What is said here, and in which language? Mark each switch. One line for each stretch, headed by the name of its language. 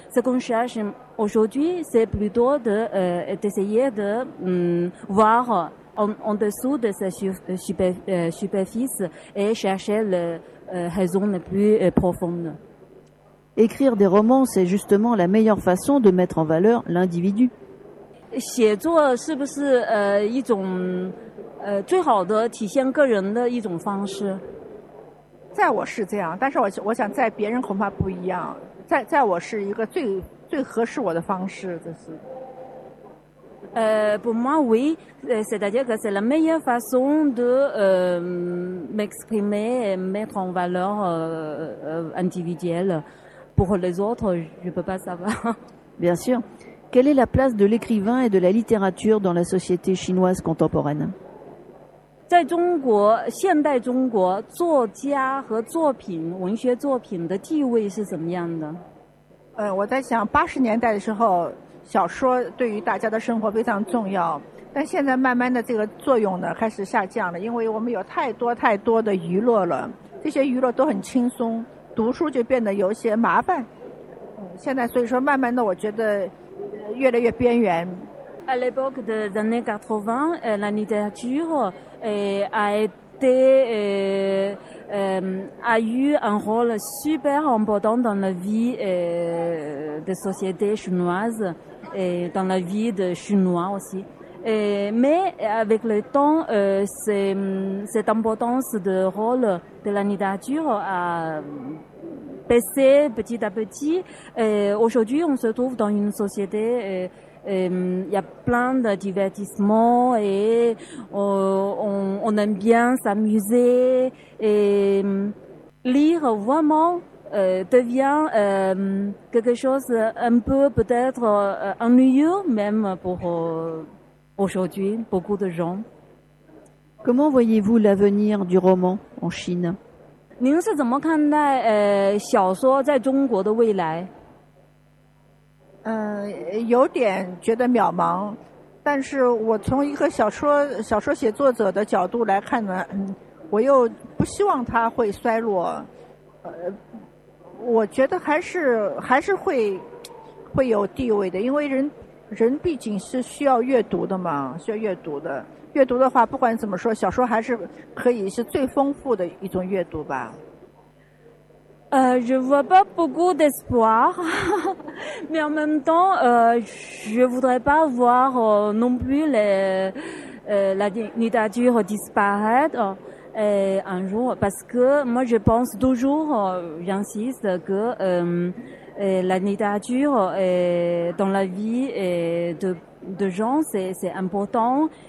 French: Ce qu'on cherche aujourd'hui, c'est plutôt d'essayer de voir en dessous de cette superficie et chercher les raisons les plus profondes. Écrire des romans, c'est justement la meilleure façon de mettre en valeur l'individu.
Chinese: 写作是不是一种最好的体现个人的一种方式？在我是这样，但是我想在别人恐怕不一样。在我是一个最合适我的方式，这是。
French: Pour moi, oui, c'est-à-dire que c'est la meilleure façon de m'exprimer et mettre en valeur individuelle. Pour les autres, je peux pas savoir. Bien sûr. Quelle est la place de l'écrivain et de la littérature dans la société chinoise contemporaine ?
Chinese: 在中国，现代中国，作家和作品，文学作品的地位是怎么样的？我在想，八十年代的时候，小说对于大家的生活非常重要，但现在慢慢的这个作用呢，开始下降了，因为我们有太多太多的娱乐了，这些娱乐都很轻松，读书就变得有些麻烦。现在所以说，慢慢的，我觉得。越来越边缘。
French: À l'époque des années 80, la littérature a eu un rôle super important dans la vie des sociétés chinoises et dans la vie des Chinois aussi. Mais avec le temps, cette importance de rôle de la littérature a baissé petit à petit. Aujourd'hui, on se trouve dans une société il y a plein de divertissements et on aime bien s'amuser. Et lire vraiment devient quelque chose un peu peut-être ennuyeux même pour aujourd'hui, beaucoup de gens. Comment voyez-vous l'avenir du roman en Chine ?
Chinese: 您是怎么看待小说在中国的未来？有点觉得渺茫，但是我从一个小说写作者的角度来看呢，我又不希望它会衰落。我觉得还是会有地位的，因为人毕竟是需要阅读的嘛，需要阅读的。阅读的话，不管怎么说，小说还是可以是最丰富的一种阅读吧。
French: Je vois pas beaucoup d'espoir, mais en même temps, je voudrais pas voir non plus la littérature disparaître un jour, parce que moi je pense toujours, j'insiste que la littérature dans la vie de gens c'est important.